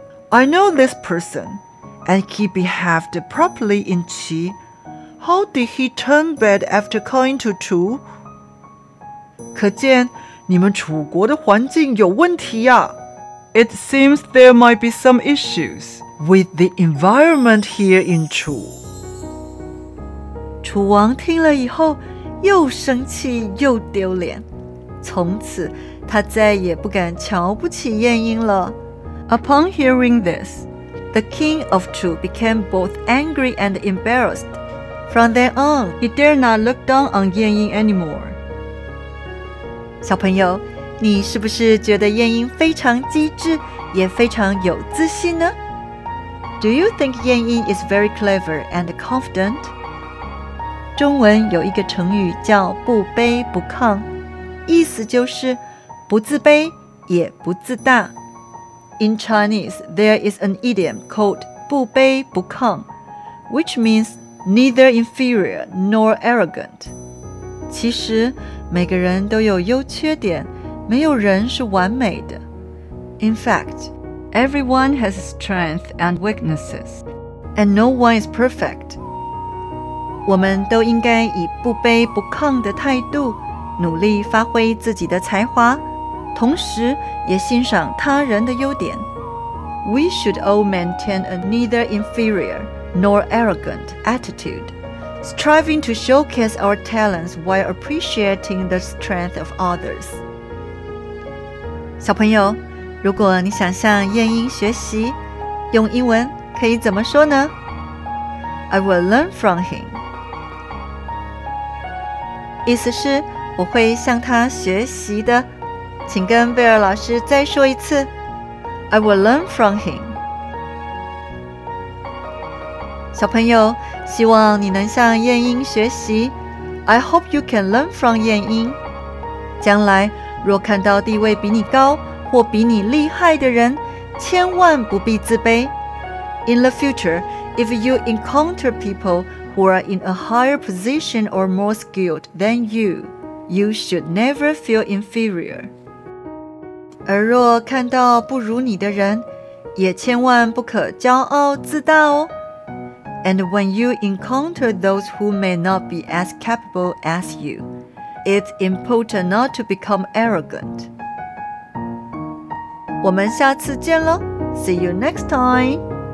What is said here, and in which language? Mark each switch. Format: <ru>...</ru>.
<en>I know this person, and he behaved properly in Qi. How did he turn bad after coming to Chu?</en> <zh>可见你们楚国的环境有问题呀。</zh> <en>It seems there might be some issues with the environment here in Chu.</en> <zh>楚王听了以后又生气又丢脸，从此他再也不敢瞧不起晏婴了。</zh> <en>Upon hearing this, the king of Chu became both angry and embarrassed. From then on, he dare not look down on Yan Ying anymore.</en> <zh>小朋友，你是不是觉得晏婴非常机智，也非常有自信呢？</zh> <en>Do you think Yan Ying is very clever and confident?</en> <zh>中文有一个成语叫不卑不亢，意思就是不自卑也不自大。</zh> <en>In Chinese, there is an idiom called 不卑不亢, which means,Neither inferior nor arrogant.</en> <zh>其实每个人都有优缺点，没有人是完美的。</zh> <en>In fact, everyone has strength and weaknesses, and no one is perfect.</en> <zh>我们都应该以不卑不亢的态度，努力发挥自己的才华，同时也欣赏他人的优点。</zh> <en>We should all maintain a neither inferior. Nor arrogant attitude, striving to showcase our talents while appreciating the strength of others.</en> <zh>小朋友，如果你想向晏婴学习，用英文可以怎么说呢？</zh> <en>I will learn from him.</en> <zh>意思是我会向他学习的，请跟贝尔老师再说一次。</zh> <en>I will learn from him.</en> <zh>小朋友，希望你能向晏婴学习。</zh> <en>I hope you can learn from 晏婴。</en> <zh>将来若看到地位比你高或比你厉害的人，千万不必自卑。</zh> <en>In the future, if you encounter people who are in a higher position or more skilled than you, you should never feel inferior.</en> <zh>而若看到不如你的人，也千万不可骄傲自大哦。</zh> <en>And when you encounter those who may not be as capable as you, it's important not to become arrogant.</en> <zh>我们下次见咯。</zh> <en>See you next time.</en>